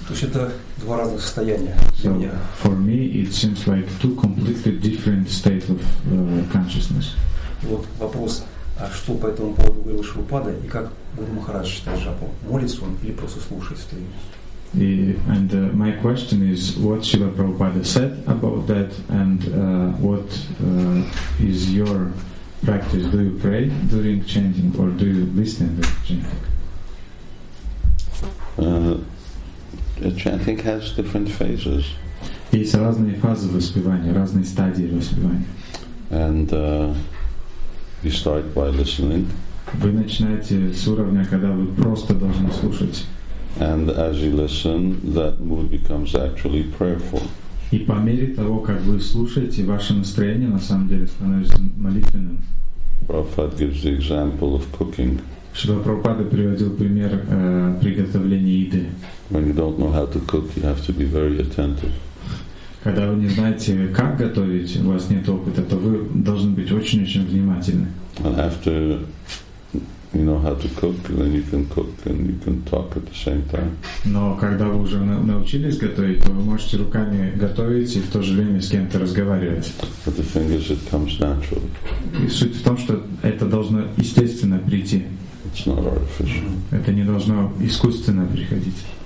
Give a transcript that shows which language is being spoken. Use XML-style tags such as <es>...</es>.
<ru>То есть это два разных состояния.</ru> <en>So for me it seems like two completely different states of consciousness.</en> <ru>И вот вопрос, а что по этому поводу говорил Шрупада и как Гуру Махарадж считает джапу? Молится он или просто слушает это имя?</ru> <en>And my question is, what Srila Prabhupada said about that, and what is your practice? Do you pray during chanting, or do you listen during chanting? Chanting has different phases.</en> <ru>Есть разные фазы воспевания, разные стадии воспевания.</ru> <en>And you start by listening.</en> <ru>Вы начинаете с уровня, когда вы просто должны слушать.</ru> <en>And as you listen, that mood becomes actually prayerful.</en> <ru>И по мере того, как вы слушаете, ваше настроение на самом деле становится молитвенным.</ru> <en>Prabhupada gives the example of cooking.</en> <ru>Шрила Прабхупада приводил пример приготовления еды.</ru> <en>When you don't know how to cook, you have to be very attentive.</en> <ru>Когда вы не знаете, как готовить, у вас нет опыта, то вы должны быть очень-очень внимательны.</ru> <en>And after you know how to cook, then you can cook and you can talk at the same time.</en> <ru>Но когда вы уже научились готовить, то вы можете руками готовить и в то же время с кем-то разговаривать.</ru> <en>But the thing is, it comes naturally.</en> <ru>И суть в том, что это должно естественно прийти.</ru> <en>It's not artificial.</en> <ru>Это не должно искусственно приходить.</ru>